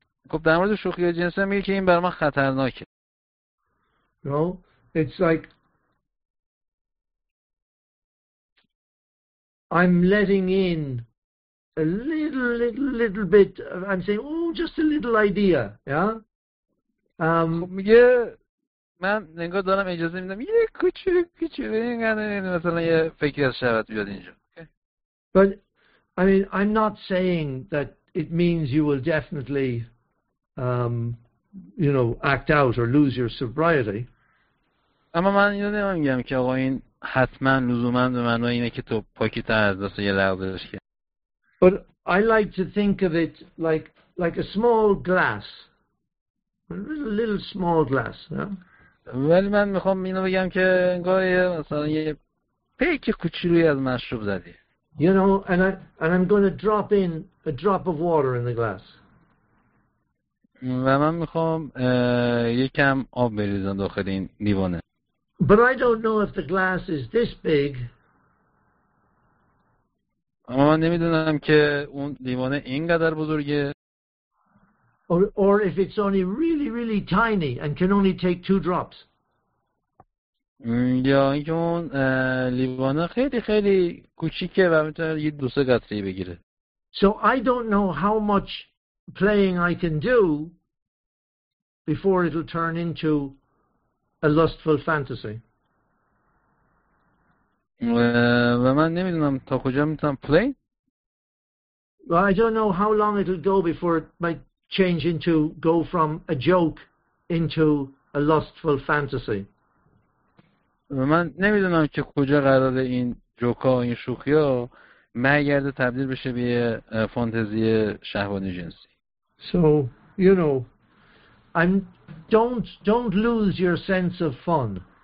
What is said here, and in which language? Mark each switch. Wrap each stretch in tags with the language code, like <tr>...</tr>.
<fa>خب در مورد شوخی جنسی هم میگه که این بر من خطرناکه.</fa> <en>No, it's like I'm letting in a little bit. I'm saying, oh, just a little idea, yeah.</en> <fa>خب میگه من نگاه دارم اجازه میدم یه کوچولو اینقدر مثلا یه فکر از شبت بیاد اینجا.</fa> <en>But I mean, I'm not saying that it means you will definitely, you know, act out or lose your sobriety.</en> <fa>اما من اینو نمیگم که آقا این حتما لزوما به معنای اینه که تو پاکیت از دست یه لغزش کنی.</fa> <en>But I like to think of it like a small glass. A little small glass, yeah?</en> <fa>ولی من میخوام اینو بگم که انگار مثلا یه پیک کوچولویی از مشروب زدی.</fa> <en>You know, and I'm going to drop in a drop of water in the glass.</en> <fa>و من میخوام یکم آب بریزم داخل این لیوانه.</fa> <en>But I don't know if the glass is this big.</en> <fa>اما من نمیدونم که اون لیوانه اینقدر بزرگه.</fa> <en>Or if it's only really, really tiny and can only take two drops.</en> <fa>یا اینکه اون لیوانه خیلی خیلی کوچیکه و میتونه یه دو سه قطره بگیره.</fa> <en>So I don't know how much playing I can do before it'll turn into a lustful fantasy.</en> <fa>و من نمیدونم تا کجا میتونم play.</fa> <en>Well, I don't know how long it'll go before it might change into go from a joke into a lustful fantasy.</en> <fa>و من نمیدونم که کجا قراره این جوکا این شوخیا مگرده تبدیل بشه به فانتزی شهوانی جنسی.</fa> <en>So, you know, don't lose your sense of fun.</en>